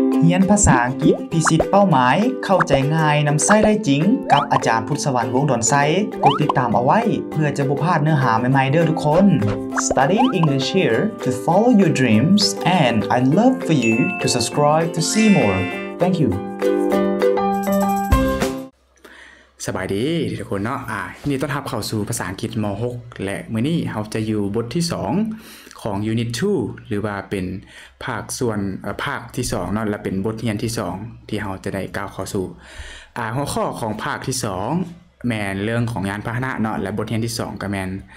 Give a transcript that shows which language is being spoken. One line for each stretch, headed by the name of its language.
Northeastern Thai: เรียนภาษาอังกฤษพิชิตเป้าหมายเข้าใจง่ายนำไส้ได้จริงกับอาจารย์พุทธสวรรค์วงดอนไซกดติดตามเอาไว้เพื่อจะบ่พลาดเนื้อหาใหม่ๆเด้อทุกคน
English: Studying English here to follow your dreams and I'd love for you to subscribe to see more. Thank you.
Northeastern Thai: สบายดีทุกคนเนาะนี่ต้อนรับเข้าสู่ภาษาอังกฤษม.6และมื้อนี้เราจะอยู่บทที่2ของ Unit 2หรือว่าเป็นภาคส่วนภาคที่2เนาะและเป็นบทเรียนที่2ที่เราจะได้ก้าวเข้าสู่หัวข้อของภาคที่2แม่นเรื่องของยานพาหนะเนาะและบทเรียนที่2ก็แม่น